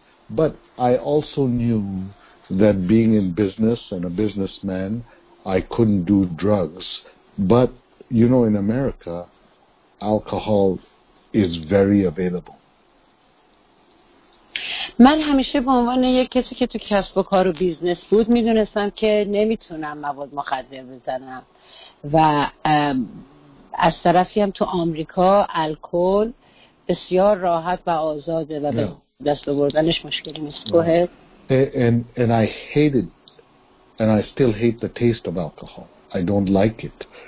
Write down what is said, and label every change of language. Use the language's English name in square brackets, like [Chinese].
[English] But I also knew that being in business and a businessman, I couldn't do drugs. But you know, in America, alcohol is very available. [Persian] من همیشه به عنوان یک کسی که تو کسب و کار و بیزنس بود میدونستم که نمیتونم مواد مخدر بزنم و از طرفی هم تو آمریکا الکل بسیار راحت و آزاده و به دست آوردنش مشکلی نیست. [English] And I hated and I still hate the taste of alcohol. I don't like it.